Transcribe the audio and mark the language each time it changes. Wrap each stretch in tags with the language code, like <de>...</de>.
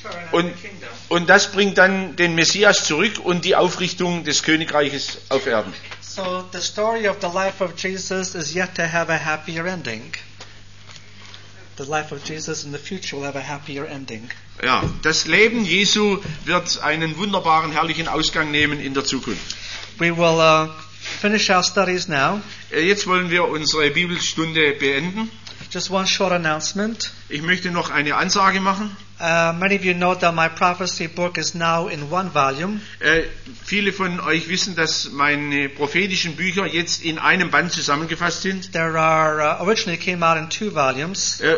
<de>Und das bringt dann den Messias zurück und die Aufrichtung des Königreiches auf Erden.</de> <en>So the story of the life of Jesus is yet to have a happier ending. The life of Jesus in the future will have a happier ending.</en> <de>Ja, das Leben Jesu wird einen wunderbaren, herrlichen Ausgang nehmen in der Zukunft.</de> <en>We will finish our studies now.</en> <de>Jetzt wollen wir unsere Bibelstunde beenden.</de> <en>Just one short announcement.</en> <de>Ich möchte noch eine Ansage machen.</de> <en>Many of you know that my prophecy book is now in one volume.</en> <de>Viele von euch wissen, dass meine prophetischen Bücher jetzt in einem Band zusammengefasst sind.</de> <en>There are originally came out in two volumes.</en>